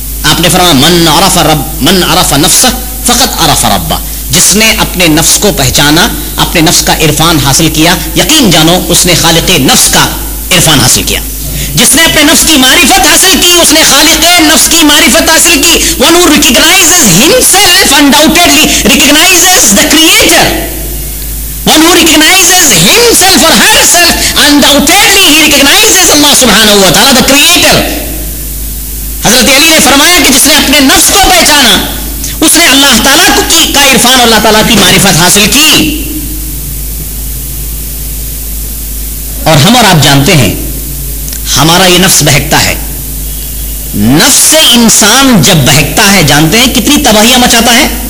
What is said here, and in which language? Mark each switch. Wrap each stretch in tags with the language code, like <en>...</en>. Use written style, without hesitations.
<ur>آپ نے فرمایا</ur> <ar>من عرف نفسہ فقط عرف ربہ،</ar> <ur>جس نے اپنے نفس کو پہچانا، اپنے نفس کا عرفان حاصل کیا، یقین جانو اس نے خالق نفس کا عرفان حاصل کیا۔ جس نے اپنے نفس کی معرفت حاصل کی، اس نے خالق نفس کی معرفت حاصل کی۔</ur> <en>One who recognizes himself undoubtedly recognizes the creator. One who recognizes himself or herself undoubtedly he recognizes Allah subhanahu wa ta'ala the creator.</en> <ur>حضرت علی نے فرمایا کہ جس نے اپنے نفس کو پہچانا، اس نے اللہ تعالیٰ کا عرفان اور اللہ تعالیٰ کی معرفت حاصل کی۔ اور ہم اور آپ جانتے ہیں ہمارا یہ نفس بہکتا ہے، نفس سے انسان جب بہکتا ہے جانتے ہیں کتنی تباہیاں مچاتا ہے۔</ur>